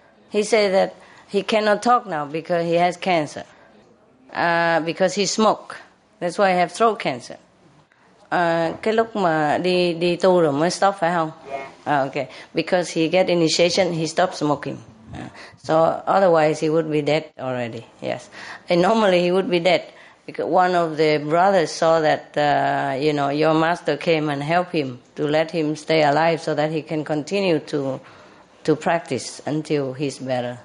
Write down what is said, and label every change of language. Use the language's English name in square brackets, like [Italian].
[English] He said that he cannot talk now because he has cancer. Because he smoke. That's why he has throat cancer. [Vietnamese] Cái lúc mà đi tu rồi mới stop phải không? [English] Yeah. Okay. Because he get initiation, he stopped smoking. So otherwise he would be dead already, yes. And normally he would be dead. Because one of the brothers saw that, you know, your master came and helped him to let him stay alive so that he can continue to practice until he's better.